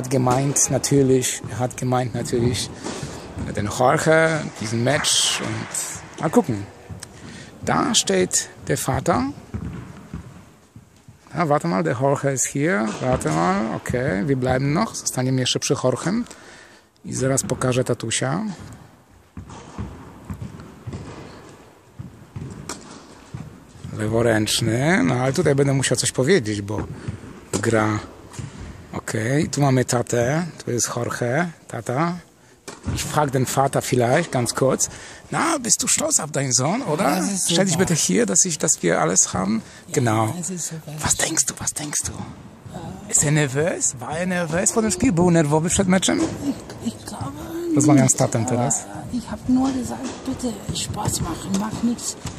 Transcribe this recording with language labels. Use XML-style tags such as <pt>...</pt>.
<de>Er hat gemeint natürlich den Jorge, diesen Match und mal gucken. Da steht der Vater. Ja, warte mal, der Jorge ist hier. Warte mal, okay, wir bleiben noch.</de> <pl>Zostaniemy jeszcze przy Jorge. I zaraz pokażę tatusia. Leworęczny. No ale tutaj będę musiał coś powiedzieć, bo gra. Okay, tu mamy tatę, tu jest Jorge, tata.</pl> <de>Ich frag den Vater vielleicht, ganz kurz. Na, bist du stolz auf deinen Sohn, oder? Ja, stell dich bitte hier, dass wir alles haben. Ja, genau. Ja, super. Was denkst du? Ist er nervös? War er nervös vor dem Spiel?</de> <pl>Był nerwowy przed meczem?</pl> <de>Ich glaube.</de> <pl>Rozmawiam z tatem teraz.</pl> <de>Ich hab nur gesagt, bitte Spaß machen, mach nichts.</de>